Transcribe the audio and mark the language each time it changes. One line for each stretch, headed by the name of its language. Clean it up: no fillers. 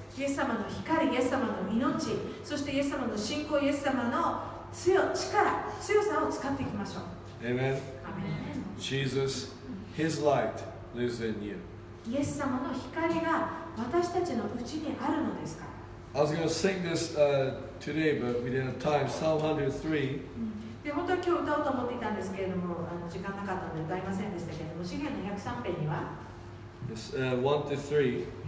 Japanese: イエス様の光、イエス様の命、そしてイエス様の信仰、イエス様の強さを使っていきましょう。
English: Amen. Amen. Jesus, his light lives in you.
Japanese: イエス様の光が私たちのうちにあるのですか?
English: I was going to sing this today, but we didn't have time. Psalm 103.
Japanese: 本当は今日歌おうと思っていたんですけれども、時間なかったので歌いませんでしたけれども、詩篇の103編には、1-3.